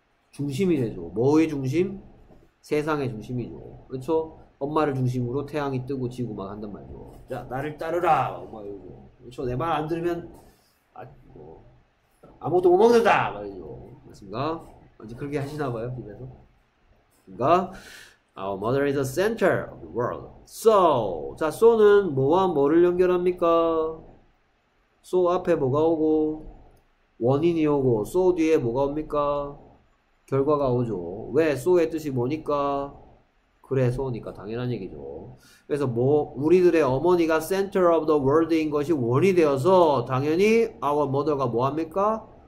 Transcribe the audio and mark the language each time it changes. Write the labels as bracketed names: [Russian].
[Korean] 중심이래죠. 뭐의 중심? 세상의 중심이죠. 그렇죠? 엄마를 중심으로 태양이 뜨고 지고 막 한단 말이죠. 자, 나를 따르라. 엄마 이거. 그렇죠? 내말안 들으면 아, 뭐 아무것도 못 먹는다. 말이죠. 맞습니까? 이제 그렇게 하시나 봐요, 집에서. 그러니까 [English] our mother is the center of the world. [Korean] So, 자, so는 뭐와 뭐를 연결합니까? so 앞에 뭐가 오고 원인이 오고 so 뒤에 뭐가 옵니까? 결과가 오죠. 왜 so의 뜻이 뭐니까? 그래서니까 당연한 얘기죠. 그래서 뭐 우리들의 어머니가 [English] center of the world [Korean] 인 것이 원이 되어서 당연히 [English] our mother [Korean] 가 뭐 합니까?